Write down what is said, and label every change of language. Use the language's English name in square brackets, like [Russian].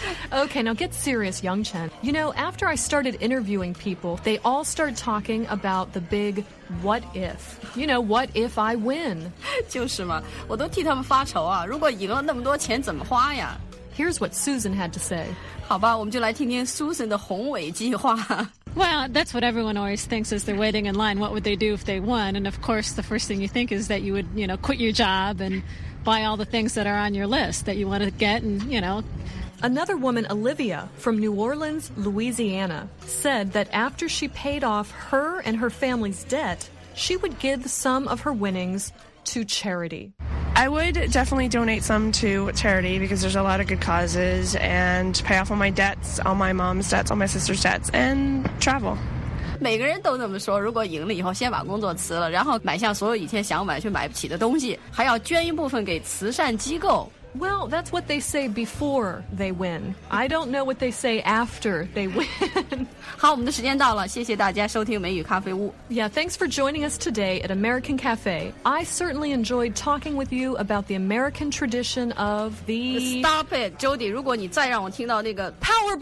[English] Okay, now get serious, Yang Chen. You know, after I started interviewing people, they all started talking about the big what if. You know, what if I win? [Chinese] 就是嘛，我都替他们发愁啊，如果赢了那么多钱怎么花呀？ [English] Here's what Susan had to say. [Chinese] 好吧，我们就来听听 Susan 的宏伟计划。 [English] Well, that's what everyone always thinks as they're waiting in line. What would they do if they won? And of course, the first thing you think is that you would, you know, quit your job and buy all the things that are on your list that you want to get and, you know... Another woman, Olivia, from New Orleans, Louisiana, said that after she paid off her and her family's debt, she would give some of her winnings to charity. I would definitely donate some to charity because there's a lot of good causes and pay off all my debts, all my mom's debts, all my sister's debts, and travel. [Chinese] 每个人都这么说，如果赢了以后先把工作辞了，然后买下所有以前想买却买不起的东西，还要捐一部分给慈善机构。 [English] Well, that's what they say before they win. I don't know what they say after they win. [Chinese] 好，我们的时间到了，谢谢大家收听美语咖啡屋。 [English] Yeah, thanks for joining us today at American Cafe. I certainly enjoyed talking with you about the American tradition of the... Stop it, Jody. [Chinese] 如果你再让我听到那个 Powerball...